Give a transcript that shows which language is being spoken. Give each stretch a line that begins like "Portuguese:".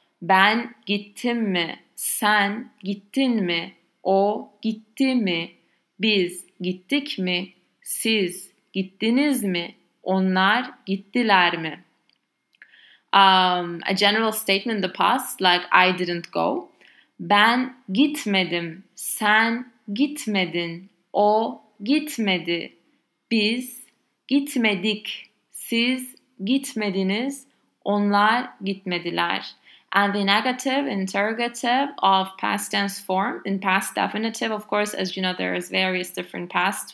Turkish: Ben gittim mi? Sen gittin mi? O gitti mi? Biz gittik mi? Siz gittiniz mi? Onlar gittiler mi?
English: A general statement in the past, like I didn't go.
Turkish: Ben gitmedim, sen gitmedin, o gitmedi, biz gitmedik, siz gitmediniz, onlar gitmediler.
English: And the negative, interrogative of past tense form, in past definitive, of course, as you know, there is various different pasts.